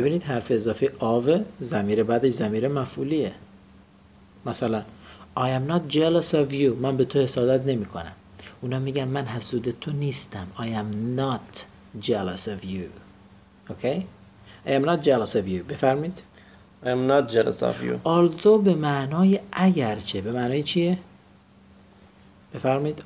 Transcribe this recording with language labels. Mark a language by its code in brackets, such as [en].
[fa] ببینید حرف اضافه of ضمیر بعدش ضمیر مفعولیه. [en] مثلا I am not jealous of you. [fa] من به تو حسادت نمی کنم. اونا میگن من حسود تو نیستم. [en] I am not jealous of you. Okay? I am not jealous of you. [fa] بفرمید. [en] I am not jealous of you. [fa] Although به معنای اگرچه. به معنای چیه؟ بفرمید.